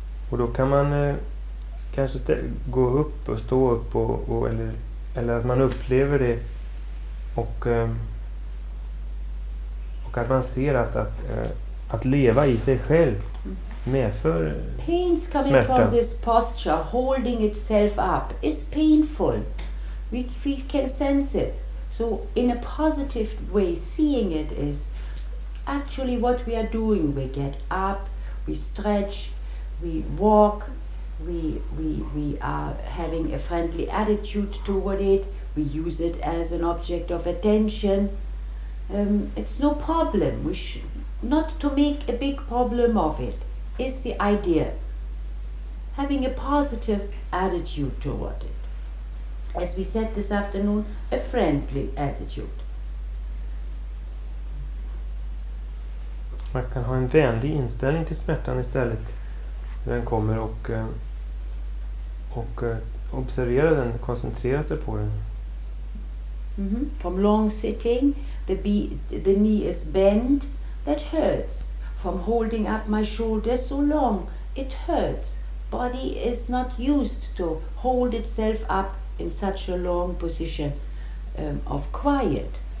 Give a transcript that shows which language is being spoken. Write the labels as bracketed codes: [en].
[sv] Och då kan man kanske gå upp och stå upp och eller att man upplever det och att man ser att leva i sig själv medför smärta. [en] Pains coming from this posture, holding itself up, is painful. We can sense it. So in a positive way, seeing it is actually what we are doing. We get up, we stretch, we walk. We are having a friendly attitude toward it. We use it as an object of attention. It's no problem. We not to make a big problem of it is the idea. Having a positive attitude toward it, as we said this afternoon, a friendly attitude. [sv] Man kan ha en vänlig inställning till smärtan istället. Den kommer och observera den, koncentrera sig på den. Mm-hmm. [en] From long sitting, the knee is bent, that hurts. From holding up my shoulders so long, it hurts. Body is not used to hold itself up in such a long position of quiet.